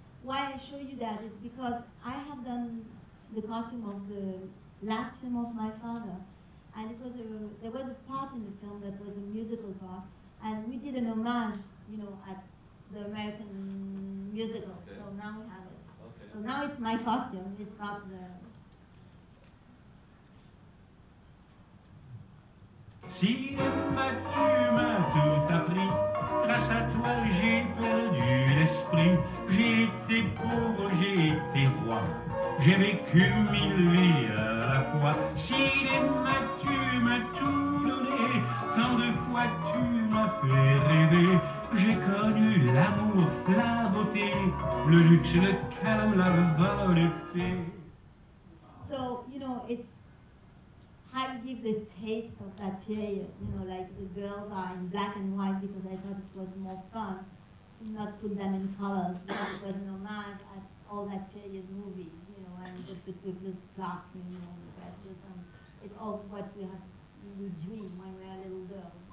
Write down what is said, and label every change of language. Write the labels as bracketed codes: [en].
[en] Why I show you that is because I have done the costume of the last film of my father, and it was there was a part in the film that was a musical part, and we did an homage, you know, at the American musical, okay. So now we have it. So now it's my costume, it's not the... [fr] Si ma tu m'as tout appris, grâce à toi j'ai perdu l'esprit. J'ai été pauvre, j'ai été roi, j'ai vécu mille vies à la fois. Si ma tu m'as tout donné, tant de fois tu m'as fait rêver. J'ai connu l'amour, la beauté, le luxe, le calme, la volupté. [en] So, you know, it's how you give the taste of that period, you know, like the girls are in black and white because I thought it was more fun to not put them in color, but it was an homage at all that period movies, you know, and just the people's stuff, you know, and the dresses, and it's all what we dream when we're a little girl.